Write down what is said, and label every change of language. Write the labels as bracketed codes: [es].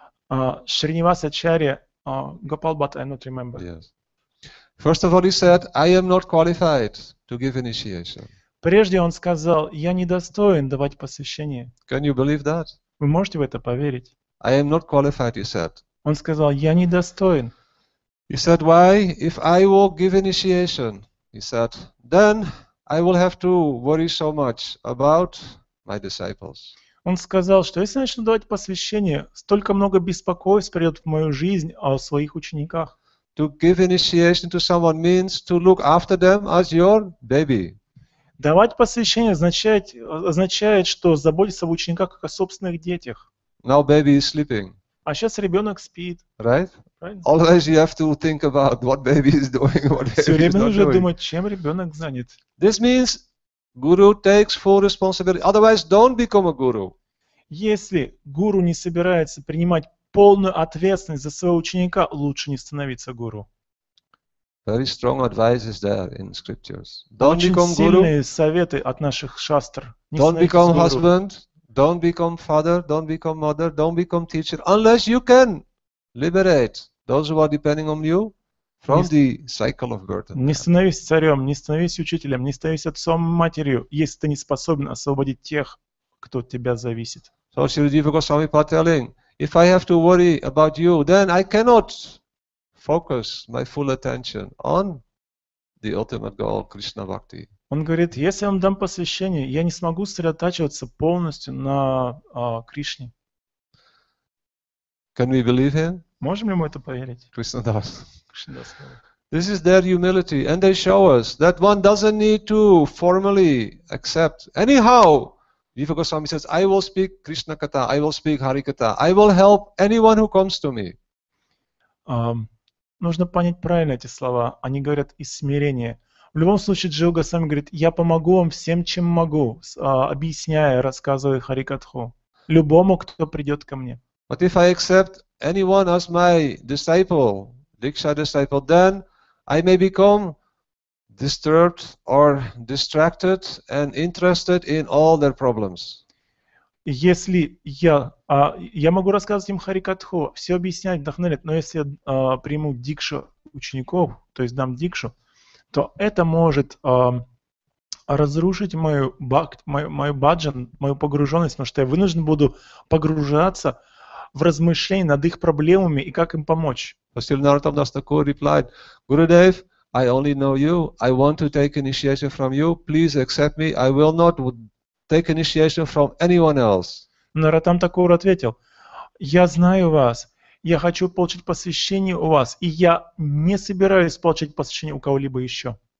[en] Srinivas Acharya, Gopal Bhatt, I don't remember. Yes. First of all, he said, I am not qualified to give initiation. [ru] Прежде он сказал, я недостоин давать посвящение. [en] Can you believe that? [ru] Вы можете в это поверить? [en] I am not qualified, he said. [ru] Он сказал, я недостоин. [en] He said, why? If I will give initiation, he said, then I will have to worry so much about my disciples. [ru] Он сказал, что если начну давать посвящение, столько много беспокойств придет в мою жизнь о своих учениках. [en] To give initiation to someone means to look after them as your baby. [ru] Давать посвящение означает, что заботиться об учениках как о собственных детях. [en] Now baby is sleeping. [ru] А сейчас ребенок спит. [en] Right? [ru] Правильно? [en] Always you have to think about what baby is doing, what baby is not doing. [ru] Все время нужно думать, чем ребенок занят. [en] This means guru takes full responsibility. Otherwise, don't become a guru. [ru] Если гуру не собирается принимать полную ответственность за своего ученика, лучше не становиться гуру. [en] Very strong advice is there in scriptures. Don't become guru. [ru] Очень сильные советы от наших шастр. [en] Don't become husband. Don't become father, don't become mother, don't become teacher, unless you can liberate those who are depending on you from the cycle of birth. [ru] Не становись царем, не становись учителем, не становись отцом, матерью, если ты не способен освободить тех, кто от тебя зависит. [en] So Srila Jiva Goswami Pad telling, if I have to worry about you, then I cannot focus my full attention on the ultimate goal, Krishna Bhakti. [ru] Он говорит, если я вам дам посвящение, я не смогу сосредотачиваться полностью на Кришне. [en] Can we believe him? [ru] Можем ли мы это поверить? [en] Krishna Das. Krishna Das. This is their humility, and they show us that one doesn't need to formally accept. Anyhow, Jiva Goswami says, I will speak Krishna Katha, I will speak Hari Katha, I will help anyone who comes to me. [ru] Нужно понять правильно эти слова. Они говорят из смирения. В любом случае, Джива Госвами говорит, я помогу вам всем, чем могу, объясняя, рассказывая Харикатху, любому, кто придет ко мне. [en] But if I accept anyone as my disciple, Diksha disciple, then I may become disturbed or distracted and interested in all their problems. [ru] Если я могу рассказывать им Харикатху, все объяснять, вдохновлять, но если я приму дикшу учеников, то есть дам дикшу, то это может разрушить мою баджан, мою погруженность, потому что я вынужден буду погружаться в размышления над их проблемами и как им помочь. [en] Srila Narottam Das Thakur replied, Gurudev, I only know you, I want to take initiation from you, please accept me, I will not take initiation from anyone else. [ru] Narottam Thakur ответил, я знаю вас, я хочу получить посвящение у вас, и я не собираюсь получить посвящение у кого-либо еще.